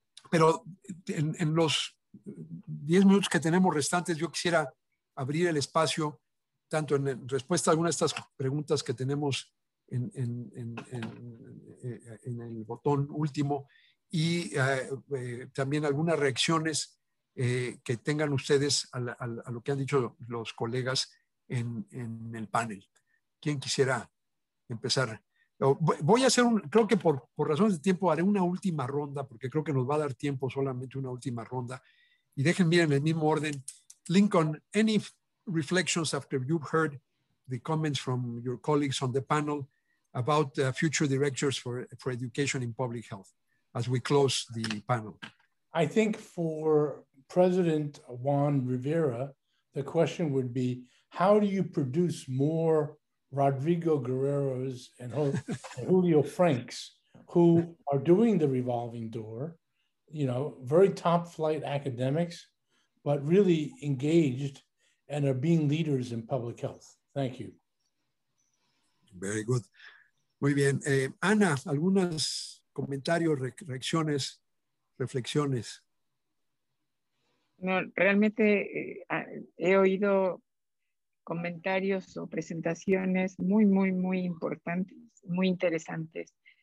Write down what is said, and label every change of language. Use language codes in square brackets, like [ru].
[es] Pero en los 10 minutos que tenemos restantes, yo quisiera abrir el espacio tanto en respuesta a algunas de estas preguntas que tenemos en el botón último, y también algunas reacciones que tengan ustedes a lo que han dicho los colegas en el panel. ¿Quién quisiera empezar? Voy a hacer un, creo que por razones de tiempo haré una última ronda, porque creo que nos va a dar tiempo solamente una última ronda. Y déjenme ir en el mismo orden. [en] Lincoln, any reflections after you've heard the comments from your colleagues on the panel about future directors for education in public health as we close the panel? I think for President Juan Rivera, the question would be, how do you produce more Rodrigo Guerreros and Julio Franks, who are doing the revolving door, you know, very top flight academics, but really engaged and are being leaders in public health? Thank you. Very good. [es] Muy bien. Ana, algunas comentarios, reacciones, reflexiones. No, realmente he oído comentarios o presentaciones muy, muy, muy importantes, muy interesantes.